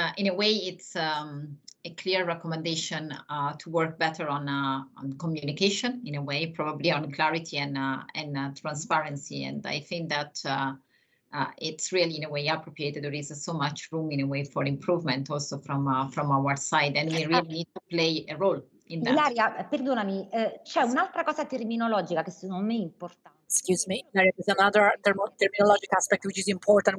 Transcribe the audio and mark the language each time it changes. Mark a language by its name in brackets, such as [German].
[English] In a way, it's a clear recommendation to work better on communication, in a way, probably on clarity and transparency. And I think that it's really, in a way, appropriate. There is so much room, in a way, for improvement also from our side, and we really need to play a role in that. [Italian] Ilaria, perdonami, c'è un'altra cosa terminologica che secondo me è importante. [English] Excuse me, there is another terminological aspect which is important.